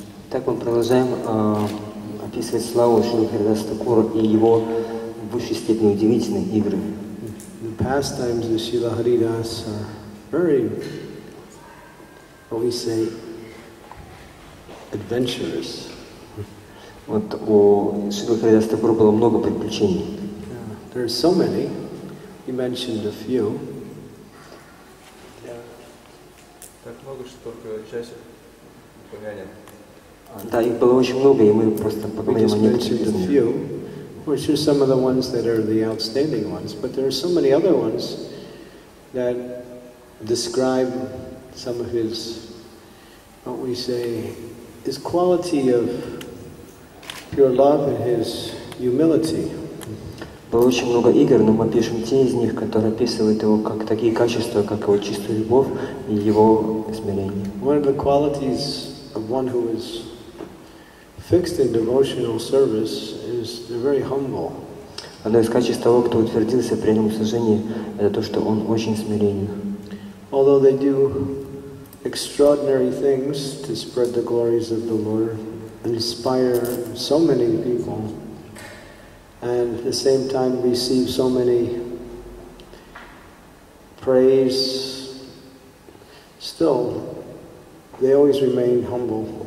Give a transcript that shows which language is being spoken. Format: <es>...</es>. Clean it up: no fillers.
<ru>Так мы продолжаем описывать славу Шрилы Харидаса Такура и его в высшей степени удивительные игры.</ru> <en>The pastimes of Shrila Haridas are very, what we say, adventurous.</en> <ru>Вот у Шрилы Харидаса Такура было много приключений.</ru> <en>There are so many. You mentioned a few.</en> <ru>Да, их было очень много, и мы просто поговорим о некоторых из них.</ru> <en>Which are some of the ones that are the outstanding ones, but there are so many other ones that describe some of his, what we say, his quality of pure love and his humility.</en> <ru>Было очень много игр, но мы пишем те из них, которые описывают его как такие качества, как его чистую любовь и его смирение.</ru> <en>One of the qualities of one who is fixed in devotional service is very humble.</en> <ru>Одно из качеств того, кто утвердился в преданном служении, это то, что он очень смиренен.</ru> <en>Although they do extraordinary things to spread the glories of the Lord, inspire so many people, and at the same time receive so many praise, still they always remain humble.</en>